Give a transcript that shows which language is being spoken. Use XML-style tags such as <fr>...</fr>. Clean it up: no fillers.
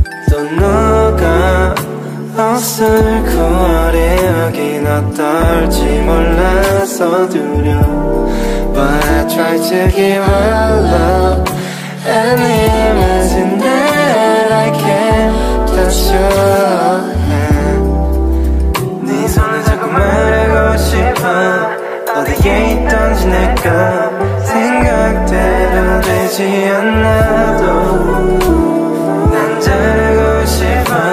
<ko>또 너가 없을 9월에 여긴 어떨지 몰라서 두려워.</ko> <en>But I try to give my love and imagine that I can touch your hand.</en> <ko>네 손을 잡고 말하고 싶어. 어디에 있던지 내가 생각대로 되지 않아도 난 잘하고 싶어.</ko>